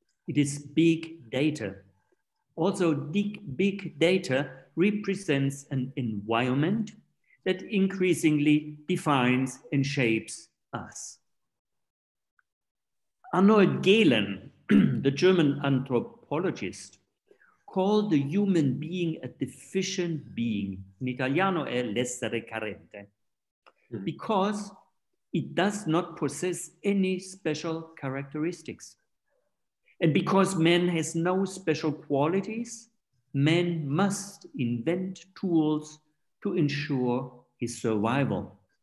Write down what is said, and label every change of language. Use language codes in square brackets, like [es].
[en] It is big data. Also, big data represents an environment that increasingly defines and shapes us. Arnold Gehlen, the German anthropologist, called the human being a deficient being. [it] In Italiano è l'essere carente. [en] Because it does not possess any special characteristics. And because man has no special qualities, man must invent tools to ensure his survival.